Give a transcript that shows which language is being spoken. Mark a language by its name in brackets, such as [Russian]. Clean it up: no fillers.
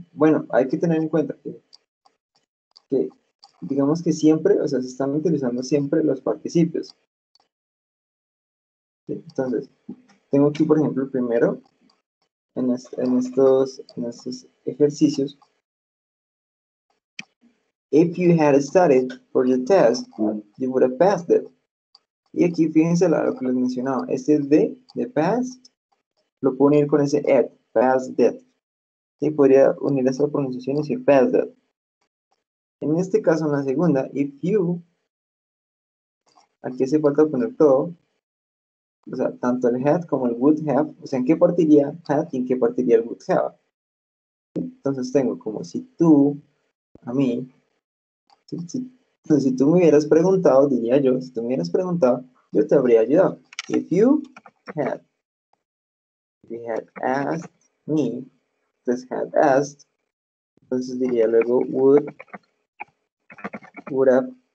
[Spanish] Bueno, hay que tener en cuenta que digamos que siempre, o sea, se están utilizando siempre los participios. Entonces, tengo aquí, por ejemplo, primero, en estos ejercicios. [English] If you had studied for the test, you would have passed it. [Spanish] Y aquí, fíjense lo que les mencionaba. Este de passed, lo puedo unir con ese ed, passed it. Y podría unir esa pronunciación y decir passed it. En este caso, en la segunda, if you, aquí hace falta poner todo, o sea, tanto el had como el would have, o sea, ¿en qué partiría had y en qué partiría el would have? Entonces tengo como si tú, a mí, si tú me hubieras preguntado, diría yo, si tú me hubieras preguntado, yo te habría ayudado. [English] If you had asked me, this had asked, [Spanish] entonces diría luego [English] would have.